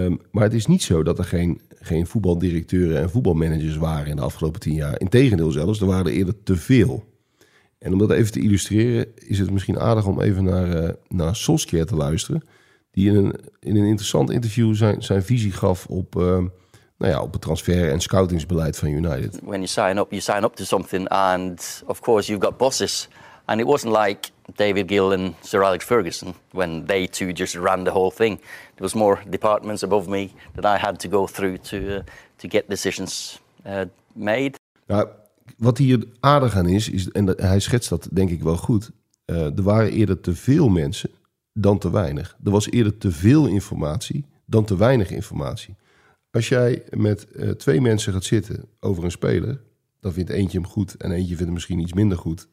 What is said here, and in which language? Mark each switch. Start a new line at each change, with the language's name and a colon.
Dutch: Maar het is niet zo dat er geen voetbaldirecteuren en voetbalmanagers waren in de afgelopen 10 jaar. Integendeel zelfs, er waren er eerder te veel. En om dat even te illustreren, is het misschien aardig om even naar Solskjaer te luisteren. Die in een interessant interview zijn visie gaf op het transfer- en scoutingsbeleid van United.
English: When you sign up to something and of course you've got bosses. And it wasn't like David Gill and Sir Alex Ferguson when they two just ran the whole thing. There was more departments above me that I had to go through to get decisions made.
Dutch: Nou, wat hier aardig aan is en hij schetst dat denk ik wel goed. Er waren eerder te veel mensen dan te weinig. Er was eerder te veel informatie dan te weinig informatie. Als jij met twee mensen gaat zitten over een speler, dan vindt eentje hem goed en eentje vindt hem misschien iets minder goed.